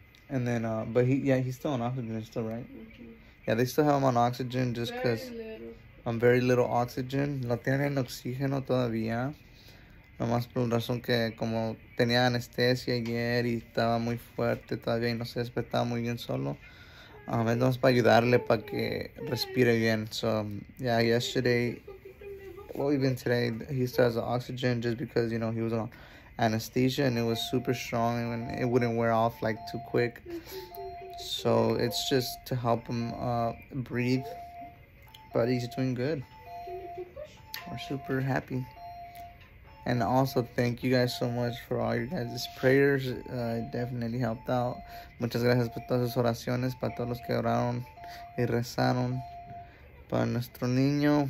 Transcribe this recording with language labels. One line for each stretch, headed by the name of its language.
English: And then, but he's still on oxygen, still, right? Mm-hmm. Yeah, they still have him on oxygen just because I'm very little oxygen.
Spanish: No tienen oxígeno todavía. Nomás por una razón que como tenía anestesia ayer y estaba muy fuerte todavía y no se despertaba muy bien solo. Es nomás para ayudarle para que respire bien.
English: So, yeah, yesterday, well, even today, he still has the oxygen just because, you know, he was on anesthesia and it was super strong and it wouldn't wear off, like, too quick. So, it's just to help him breathe. But he's doing good. We're super happy. And also, thank you guys so much for all your guys' prayers. Definitely helped out.
Spanish: Muchas gracias por todas sus oraciones, para todos los que oraron y rezaron para nuestro niño.